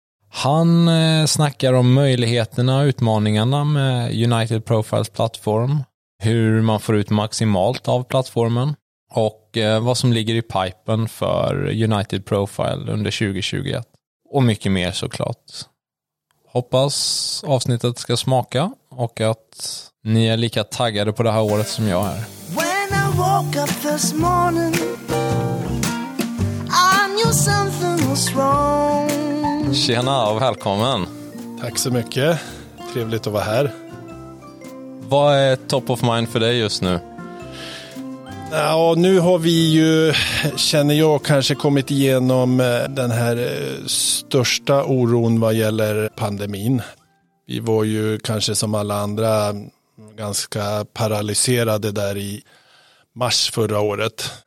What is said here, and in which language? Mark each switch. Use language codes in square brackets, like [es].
[sv] Han snackar om möjligheterna och utmaningarna med United Profiles plattform, hur man får ut maximalt av plattformen och vad som ligger i pipen för United Profile under 2021. Och mycket mer såklart. Hoppas avsnittet ska smaka och att ni är lika taggade på det här året som jag är. [en] When I woke up this morning, I knew something was wrong. [sv] Tjena och välkommen. Tack så mycket. Trevligt att vara här. Vad är [en] top of mind [sv] för dig just nu? Ja, nu har vi ju, känner jag, kanske kommit igenom den här största oron vad gäller pandemin. Vi var ju kanske som alla andra ganska paralyserade där i mars förra året.